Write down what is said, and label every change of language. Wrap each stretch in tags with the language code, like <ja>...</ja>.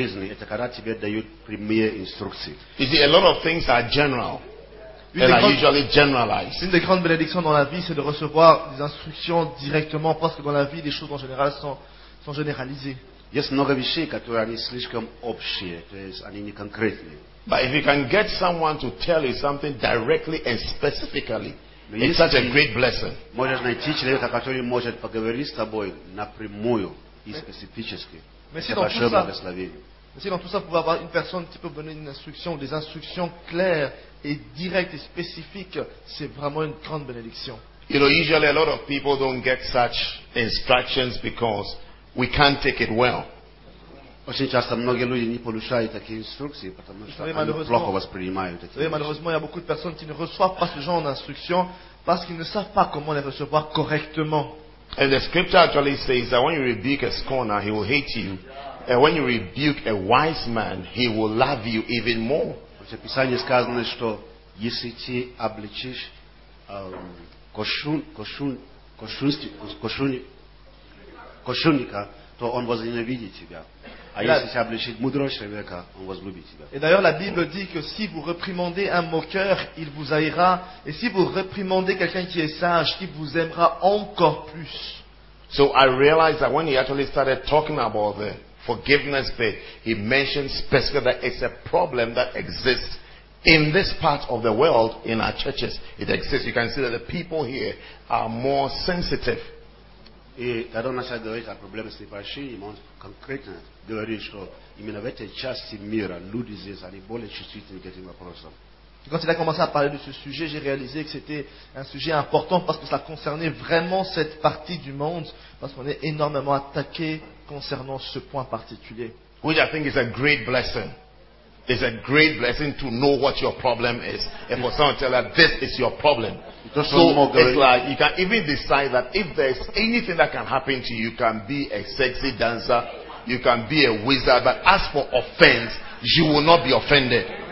<en>You see, a lot of things are general and are usually generalized.</en> <fr>Une des grandes bénédictions dans la vie, c'est de recevoir des instructions directement, parce que dans la vie, les choses en général sont généralisées.</fr> <ru>Есть много вещей, которые они слишком общие, то есть они не конкретные.</ru> <en>But if you can get someone to tell you something directly and specifically, it's such a great blessing.</en> <ru>Можешь найти человека, который может поговорить с тобой напрямую и специфически.</ru> <fr>Mais si dans tout ça, vous pouvez avoir une personne qui peut donner une instruction, des instructions claires et directes et spécifiques, c'est vraiment une grande bénédiction.</fr> <en>You know, usually a lot of people don't get such instructions because we can't take it well.</en> <ru>Очень часто многие люди не получают такие инструкции, потому что они плохо воспринимают эти.</ru> <fr>Malheureusement, il y a beaucoup de personnes qui ne reçoivent pas ce genre d'instructions parce qu'ils ne savent pas comment les recevoir correctement.</fr> <en>And the scripture actually says that when you rebuke a scorner, he will hate you, and when you rebuke a wise man, he will love you even more.</en> <ru>В Писании сказано, что если ты обличишь кошунника, то он возненавидит тебя. А если тебя обличит мудрого человека, он возлюбит тебя.</ru> <fr>Et d'ailleurs la Bible dit que si vous réprimandez un moqueur, il vous haïra, et si vous réprimandez quelqu'un qui est sage, il vous aimera encore plus.</fr> <en>So I realized that when he actually started talking about the forgiveness bit, he mentioned specifically that it's a problem that exists in this part of the world, in our churches. It exists. You can see that the people here are more sensitive.</en> <fr>Et quand on a dit que le problème c'est pas chez nous, concrètement,</fr> <ru>говорит, что именно в этой части мира люди здесь они более чувствительны к этим вопросам.</ru> <fr>Quand il a commencé à parler de ce sujet, j'ai réalisé que c'était un sujet important parce que ça concernait vraiment cette partie du monde, parce qu'on est énormément attaqué concernant ce point particulier.</fr> <en>Which I think is a great blessing. It's a great blessing to know what your problem is. And for someone to tell that this is your problem. So it's like you can even decide that if there's anything that can happen to you, you can be a sexy dancer, you can be a wizard, but as for offense, you will not be offended.</en>